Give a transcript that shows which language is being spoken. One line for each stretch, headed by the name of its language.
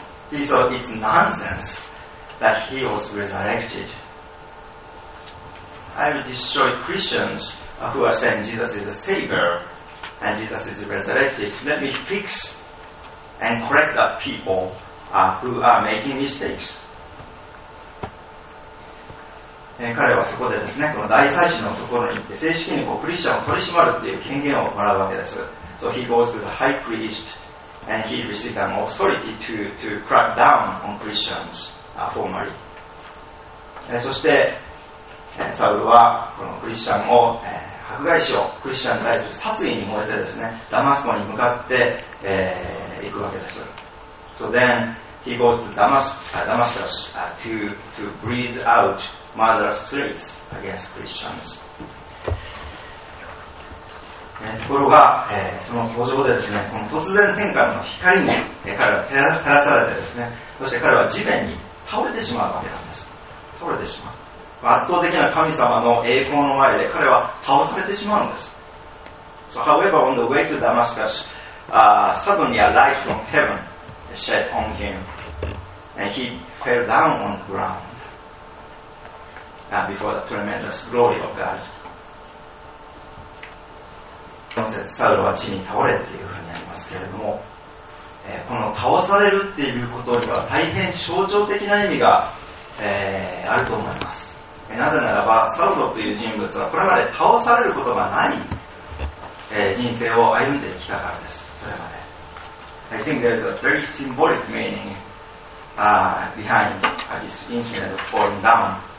English: He thought it's nonsense that he was resurrected. I will destroy Christians who are saying Jesus is a savior and Jesus is resurrected. Let me fix and correct the people who are making mistakes.
Japanese: 彼はそこでですね、この大祭司のところに行って正式にこうクリスチャンを取り締まるという権限をもらうわけです。
English: So he goes to the high priest and he received an authority to crack down on Christians formally.
Japanese: そして、サウルはこのクリスチャンを迫害しよう、クリスチャンに対する殺意に燃えてですね、ダマスコに向かって、行くわけです。
English: So then he goes to Damascus to breathe out. Murderous threats against Christians.
Japanese: ところが、その途上でですね、この突然天からの光に彼は照らされてですね、そして彼は地面に倒れてしまうわけなんです。倒れてしまう。圧倒的な神様の栄光の前で彼は倒されてしまうんです。
English: So, however, on the way to Damascus, suddenly a light from heaven shed on him, and he fell down on the ground. Before the tremendous glory of God.
Japanese: この節、サウロは地に倒れっていうふうにありますけれども、この倒されるっていうことには大変象徴的な意味が、あると思います。なぜならば、サウロという人物はこれまで倒されることがない、人生を歩んできたからです。それまで。
English: I think there is a very symbolic meaning behind this incident of falling down.